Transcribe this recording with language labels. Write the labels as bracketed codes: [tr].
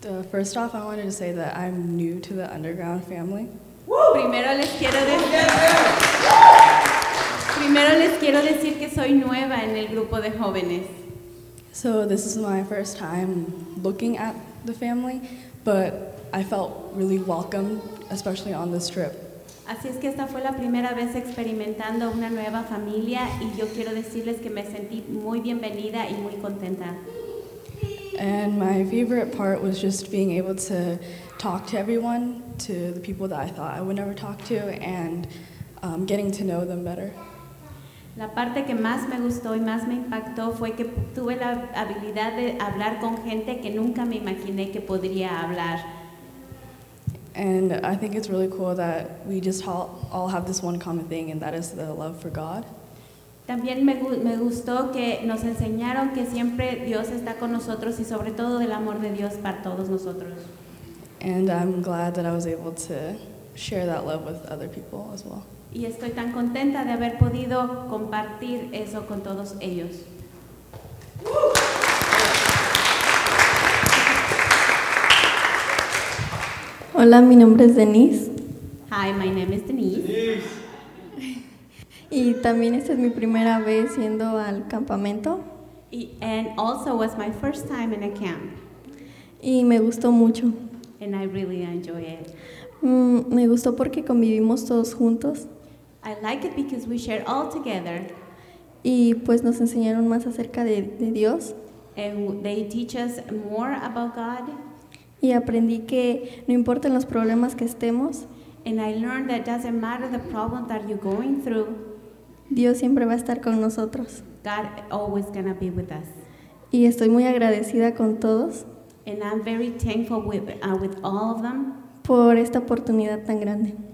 [en] First off, I wanted to say that I'm new to the Underground family. [es] Primero les quiero decir que soy nueva en el grupo de jóvenes. [en] So this is my first time looking at the family, but I felt really welcome, especially on this trip. [es] Así es que esta fue la primera vez experimentando una nueva familia, y yo quiero decirles que me sentí muy bienvenida y muy contenta. [en] And my favorite part was just being able to talk to everyone, to the people that I thought I would never talk to, and getting to know them better. [es] La parte que más me gustó y más me impactó fue que tuve la habilidad de hablar con gente que nunca me imaginé que podría hablar. [en] And I think it's really cool that we just all have this one common thing, and that is the love for God. [es] También me gustó que nos enseñaron que siempre Dios está con nosotros y sobre todo del amor de Dios para todos nosotros. [en] And I'm glad that I was able to share that love with other people as well. [es] Y estoy tan contenta de haber podido compartir eso con todos ellos. Hola, mi nombre es Denise. [en] Hi, my name is Denise. [es] Y también esta es mi primera vez yendo al campamento. [en] And also was my first time in a camp. [es] Y me gustó mucho. [en] And I really enjoy it. [es] Me gustó porque convivimos todos juntos. [en] I like it because we share all together. [es] Y pues nos enseñaron más acerca de Dios. [en] And they teach us more about God. [es] Y aprendí que no importan los problemas que estemos. [en] And I learned that doesn't matter the problem that you're going through. [es] Dios siempre va a estar con nosotros. [en] God always gonna be with us. [es] Y estoy muy agradecida con todos. [en] And I'm very thankful with all of them. [es] Por esta oportunidad tan grande.